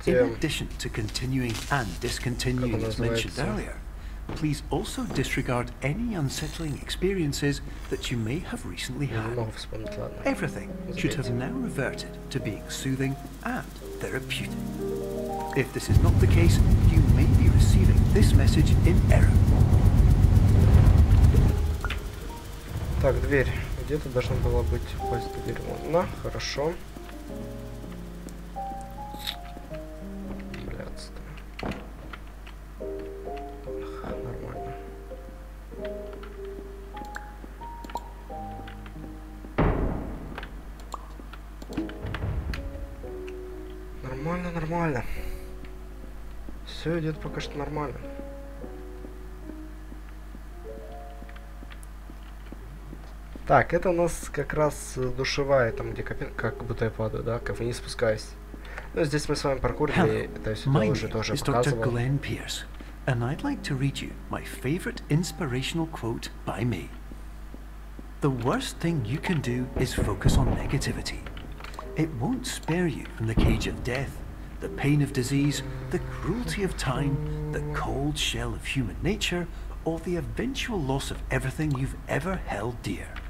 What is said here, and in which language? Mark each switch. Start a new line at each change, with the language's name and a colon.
English: In addition to continuing and discontinuing as mentioned earlier, please also disregard any unsettling experiences that you may have recently had. Everything should have now reverted to being soothing and therapeutic. If this is not the case, you may be receiving this message in error.
Russian: Так, дверь. Где-то должна была быть пасть дверь. Вот, на, хорошо. Блядство. Ах, нормально. Нормально, нормально. Все идет пока что нормально. Так, это у нас как раз душевая, там где копин, как будто я падаю, да, как вниз спускаюсь. Ну, здесь мы с вами паркурили, это всё уже тоже показывал.
English: Доктор Глен Пирс, and I'd like to read you my favorite inspirational quote by me. The worst thing you can do is focus on negativity. It won't spare you from the cage of death, the pain of disease, the cruelty of time, the cold shell of human nature, or the eventual loss of everything you've ever held dear.